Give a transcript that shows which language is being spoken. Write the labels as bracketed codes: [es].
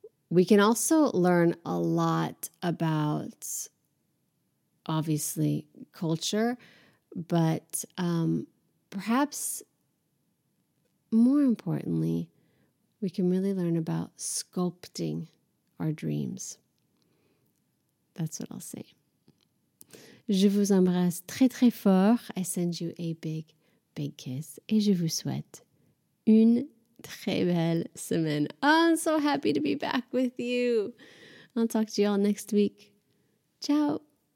[en] We can also learn a lot about, obviously, culture, but perhaps more importantly, we can really learn about sculpting our dreams. That's what I'll say. [fr] Je vous embrasse très, très fort. [en] I send you a big, big kiss. [fr] Et je vous souhaite une très belle semaine. [en] Oh, I'm so happy to be back with you. I'll talk to you all next week. Ciao.